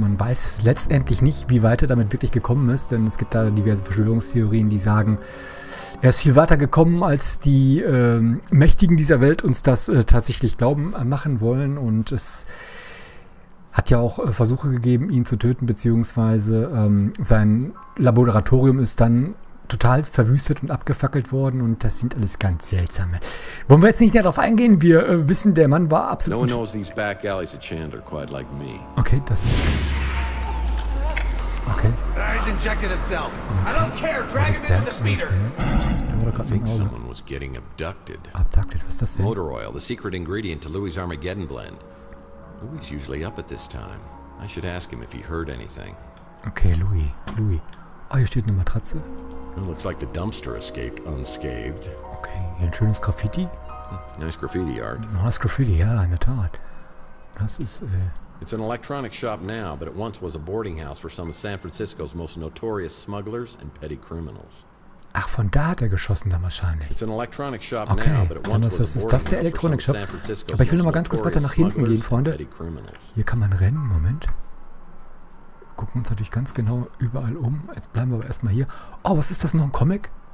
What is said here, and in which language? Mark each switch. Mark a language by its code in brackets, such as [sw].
[de] Man weiß letztendlich nicht, wie weit er damit wirklich gekommen ist, denn es gibt da diverse Verschwörungstheorien, die sagen, er ist viel weiter gekommen, als die Mächtigen dieser Welt uns das tatsächlich glauben machen wollen. Und es hat ja auch Versuche gegeben, ihn zu töten, beziehungsweise sein Laboratorium ist dann total verwüstet und abgefackelt worden und das sind alles ganz seltsame. Wollen wir jetzt nicht mehr darauf eingehen? Wir wissen, der Mann war absolut... [en] No one knows these back alleys of Chandler quite like me. [de] Okay, das... Okay. [en] He's injected himself. Okay. I don't care. Drag him into the speeder. I think someone was getting abducted. [de] Abducted? Was das denn? [en] Motor oil, the secret ingredient to Louis' Armageddon blend. Louis usually up at this time. I should ask him if he heard anything. Okay, Louis. Louis. [de] Ah, hier steht eine Matratze. [en] It looks like the dumpster escaped unscathed. [de] Okay, hier ein schönes Graffiti. [en] Nice graffiti art. Nice graffiti, [de] ja, in der Tat. Das ist, [en] It's an electronic shop now, but it once was a boarding house for some of San Francisco's most notorious smugglers and petty criminals. [de] Ach, von da hat er geschossen dann wahrscheinlich. [en] It's an electronic shop okay, now, but it once [de] ist das der Electronic Shop? Aber ich will nochmal ganz kurz weiter nach hinten gehen, Freunde. Hier kann man rennen, Moment. Gucken wir uns natürlich ganz genau überall um. Jetzt bleiben wir aber erstmal hier. Oh, was ist das noch, ein Comic?